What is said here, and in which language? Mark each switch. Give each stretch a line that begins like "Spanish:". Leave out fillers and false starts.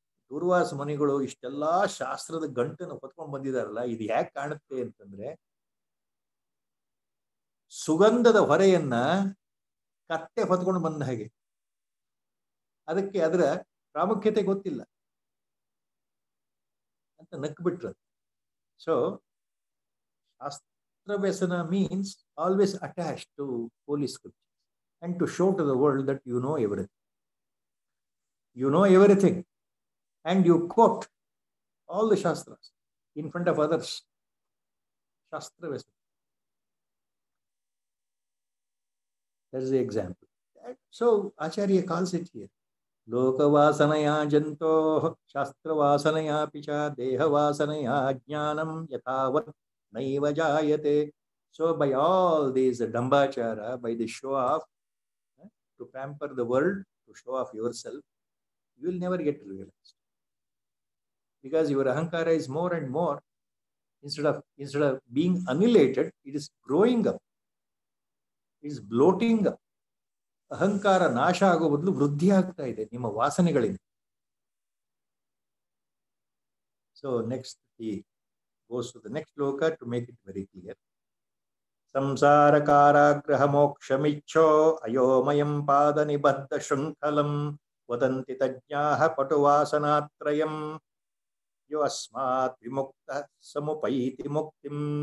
Kannada: ದುರ್ವಾಸ ಮುನಿಗಳು ಇಷ್ಟೆಲ್ಲ ಶಾಸ್ತ್ರದ ಗಂಟನ್ನು ಹೊತ್ಕೊಂಡು ಬಂದಿದಾರಲ್ಲ ಇದು ಯಾಕೆ ಕಾಣುತ್ತೆ ಅಂತಂದ್ರೆ ಸುಗಂಧದ ಹೊರೆಯನ್ನ ಕತ್ತೆ ಹೊತ್ಕೊಂಡು ಬಂದ ಹಾಗೆ ಅದಕ್ಕೆ ಅದರ ಪ್ರಾಮುಖ್ಯತೆ ಗೊತ್ತಿಲ್ಲ ನಕ್ಬಿಟ್ರ so
English: Vyasana means always attached to holy scriptures and to show to the world that you know everything. You know everything and you quote all the shastras in front of others. Shastra Vyasana. That is the example. So Acharya calls it here.
Sanskrit: Lokavasanaya janto shastravasanaya picha dehavasanaya jnanam yathavat naiva jayate.
English: So by all these dambachara, by the show off, to pamper the world, to show off yourself, you will never get realized. Because your ahankara is more and more, instead of being annihilated, it is growing up. It is bloating up.
Kannada: ಅಹಂಕಾರ ನಾಶ ಆಗೋ ಬದಲು ವೃದ್ಧಿ ಆಗ್ತಾ ಇದೆ ನಿಮ್ಮ ವಾಸನೆಗಳಿಂದ.
English: So next he goes to the next ಲೋಕ to make it very clear.
Sanskrit: ಸಂಸಾರ ಕಾರಾಗ್ರಹ ಮೋಕ್ಷಮಿಚ್ಛೋ ಅಯೋಮಯಂ ಪಾದ ನಿಬದ್ಧ ಶೃಂಖಲಂ ವದಂತಿ ತಜ್ಞಾಃ ಪಟು ವಾಸನಾತ್ರಯಂ ಯೋ ಅಸ್ಮಾತ್ ವಿಮುಕ್ತ ಸಮುಪೈತಿ ಮುಕ್ತಿಂ.